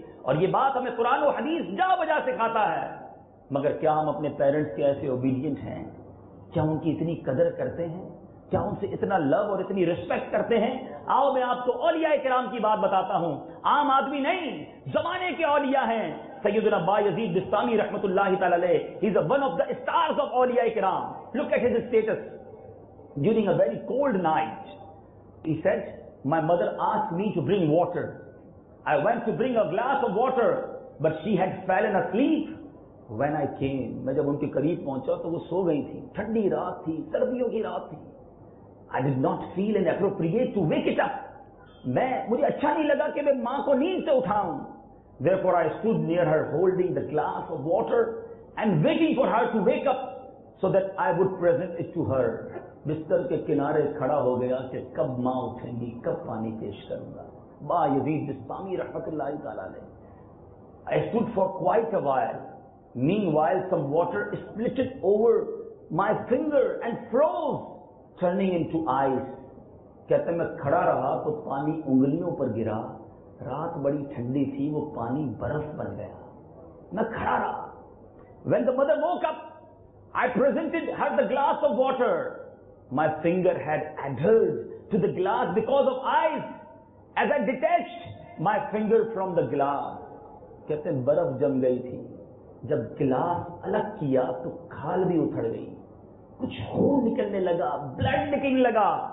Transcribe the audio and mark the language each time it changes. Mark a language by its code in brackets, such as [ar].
[ur] اور یہ بات ہمیں قرآن و حدیث جا بجا سکھاتا ہے. مگر کیا ہم اپنے پیرنٹس کے ایسے اوبیڈینٹ ہیں؟ کیا ان کی اتنی قدر کرتے ہیں؟ کیا ان سے اتنا لو اور اتنی ریسپیکٹ کرتے ہیں؟ آؤ میں آپ کو اولیاء کرام کی بات بتاتا ہوں. عام آدمی نہیں, زمانے کے اولیاء ہیں. سیدنا بایزید بستامی رحمۃ اللہ تعالی علیہ, [en] he is one of the stars of [ur] اولیاء کرام. [en] Look at his status during a very cold night. He said, My mother asked me to bring water. I went to bring a glass of water, but she had fallen asleep. When I came, [ur] میں جب ان کے قریب پہنچا تو وہ سو گئی تھی. ٹھنڈی رات تھی, سردیوں کی رات تھی. [en] I did not feel inappropriate to wake it up. [ur] مجھے اچھا نہیں لگا کہ میں ماں کو نیند سے اٹھاؤں. [en] Therefore, I stood near her holding the glass of water and waiting for her to wake up so that I would present it to her. [ur] بستر کے کنارے کھڑا ہو گیا کہ کب ماں اٹھیں گی, کب پانی پیش کروں گا. [en] Bayazid Bastami رحمت اللہ تعالی علیہ, I stood for quite a while. Meanwhile, some water splitted over my finger and froze, turning into ice. [ur] کہتے ہیں میں کھڑا رہا تو پانی انگلیوں پر گرا. رات بڑی ٹھنڈی تھی, وہ پانی برف بن گیا. میں کھڑا رہا. [en] When the mother woke up, I presented her the glass of water. My finger had adhered to the glass because of ice. As I detached my finger from the glass, [ur] کہتے ہیں برف جم گئی تھی, جب گلاس الگ کیا تو کھال بھی اتھڑ گئی, کچھ خون نکلنے لگا, بلڈ نکلنے لگا.